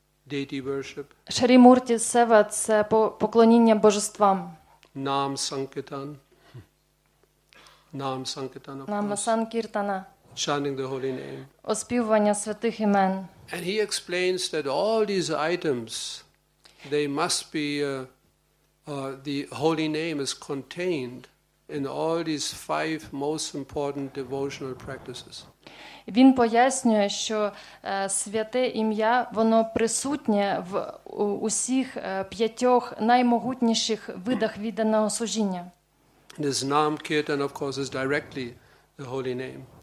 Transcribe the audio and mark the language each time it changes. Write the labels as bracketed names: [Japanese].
[English] Deity worship. [Ukrainian] Шрі Мурті Сева – це поклоніння божествам. Нам Санкітан. Нам Санкітан, [English] of course. [Ukrainian] Нам Санкіртана. [English] Chanting the holy name. [Ukrainian] Оспівування святих імен. [English] And he explains that all these items, they must be, the holy name is contained in all these five most important devotional practices. [Ukrainian] Він пояснює, що святе ім'я, воно присутнє в усіх п'ятьох наймогутніших видах відданого служіння. [English] This Nam Kirtan, of course, is directly the holy name.